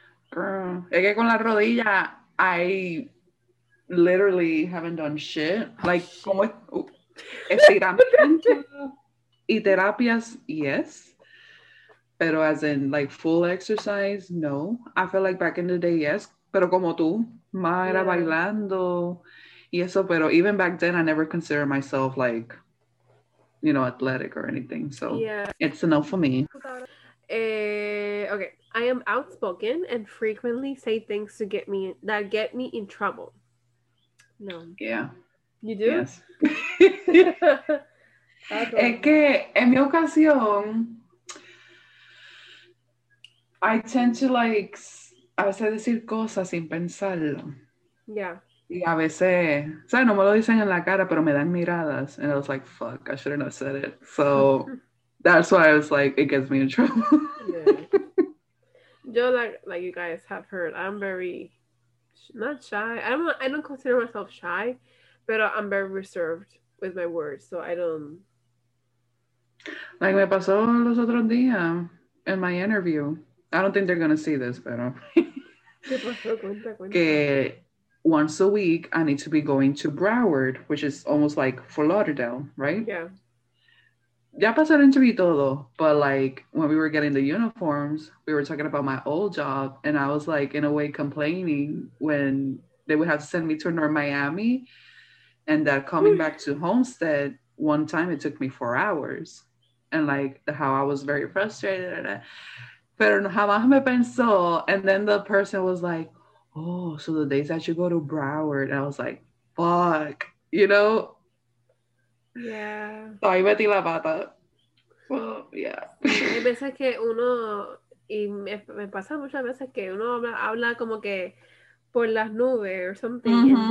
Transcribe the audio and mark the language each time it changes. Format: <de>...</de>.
<en>Girl,</en> <es>es que con la rodilla,</es> <en>I literally haven't done shit.</en> <es>Like, como estiramiento y terapias, yes.</es> <en>Pero as in, like, full exercise, no. I feel like back in the day, yes.</en> <es>Pero como tú, más era bailando y eso.</es> <en>Pero even back then, I never considered myself, like, you know, athletic or anything. So, yeah. It's enough for me. Okay. I am outspoken and frequently say things to get me that get me in trouble. No. Yeah. You do? Yes.</en> <es>Es que en mi ocasión,</es> <en>I tend to like</en> <es>a veces decir cosas sin pensarlo.</es> <en>Yeah.</en> <es>Y a veces, o sea, no me lo dicen en la cara, pero me dan miradas.</es> <en>And I was like, fuck, I shouldn't have said it. So that's why I was like, it gets me in trouble. Yeah. Yo, like you guys have heard, I'm very, not shy. I don't consider myself shy, but I'm very reserved with my words. So I don't.</en> <es>Like me pasó los otros días</es> <en>in my interview. I don't think they're going to see this, pero.</en> <es>¿Qué pasó? Cuenta.</es> <en>Que once a week, I need to be going to Broward, which is almost like for Lauderdale, right? Yeah.</en> <es>Ya pasó el interview todo,</es> <en>but like when we were getting the uniforms, we were talking about my old job, and I was like, in a way, complaining when they would have to send me to North Miami, and that coming back to Homestead one time it took me 4 hours, and like how I was very frustrated.</en> <es>Pero jamás me pensó,</es> <en>and then the person was like, oh, so the days that you go to Broward, and I was like, fuck, you know. Yeah.</en> <es>Ahí metí la pata.</es> <en>Well, yeah.</en> <es>Hay veces que uno, y me pasa muchas veces que uno habla como que por las nubes</es> <en>or something,</en> <es>mm-hmm.</es>